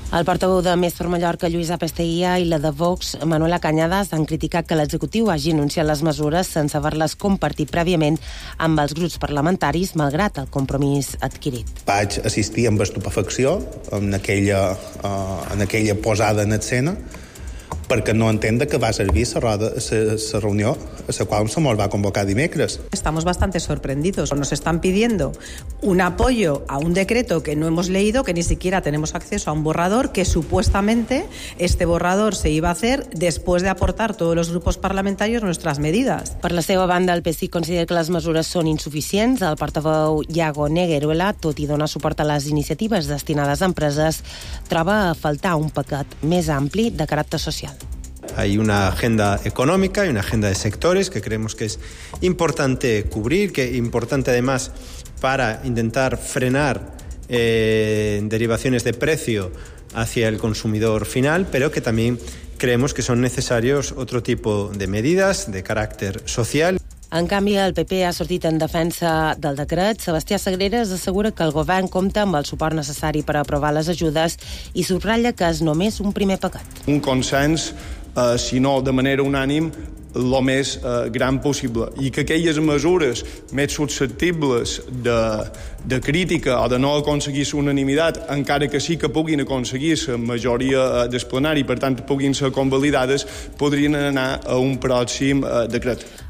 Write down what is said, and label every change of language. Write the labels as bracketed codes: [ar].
[ca] El portaveu de Més per Mallorca, Lluïsa Pestia, i la de Vox, Manuela Canyà, han criticat que l'executiu hagi anunciat les mesures sense haver-les compartit prèviament amb els grups parlamentaris, malgrat el compromís adquirit. Vaig assistir amb estupefacció en aquella posada en escena, perquè no entenc de què va servir la reunió a la qual se mos va convocar dimecres. [es] Estamos bastante sorprendidos. Nos están pidiendo un apoyo a un decreto que no hemos leído, que ni siquiera tenemos acceso a un borrador, que supuestamente este borrador se iba a hacer después de aportar todos los grupos parlamentarios nuestras medidas. [ca] Per la seva banda, el PSIC considera que les mesures són insuficients. El portaveu Iago Negueruela, tot i donar suport a les iniciatives destinades a empreses, troba a faltar un paquet més ampli de caràcter social. [es] Hay una agenda económica y una agenda de sectores que creemos que es importante cubrir, que es importante además para intentar frenar derivaciones de precio hacia el consumidor final, pero que también creemos que son necesarios otro tipo de medidas de carácter social. [ca] En canvi, el PP ha sortit en defensa del decret. Sebastià Sagreras assegura que el govern compta amb el suport necessari per aprovar les ajudes i subratlla que és només un primer paquet. Un consens, si no de manera unànim, el més gran possible. I que aquelles mesures més susceptibles de crítica o de no aconseguir unanimitat, encara que sí que puguin aconseguir la majoria d'esplenari, per tant, puguin ser convalidades, podrien anar a un pròxim decret.